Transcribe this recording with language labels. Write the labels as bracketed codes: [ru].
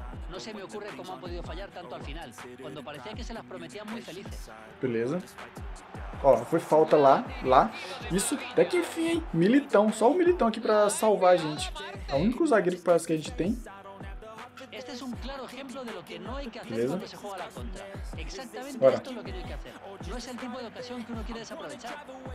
[es] No se me ocurre como han podido fallar tanto al final, cuando parecía que se las prometían muy felices. [pt] Beleza. Ó, foi falta lá, lá. Isso, até que enfim, hein? Militão, só o Militão aqui pra salvar a gente. É o único zagueiro que parece que a gente tem. [es] Este es un claro ejemplo de lo que no hay que hacer cuando se juega a la contra. Exactamente esto es lo que no hay que hacer. No es el tipo de ocasión que uno quiere desaprovechar.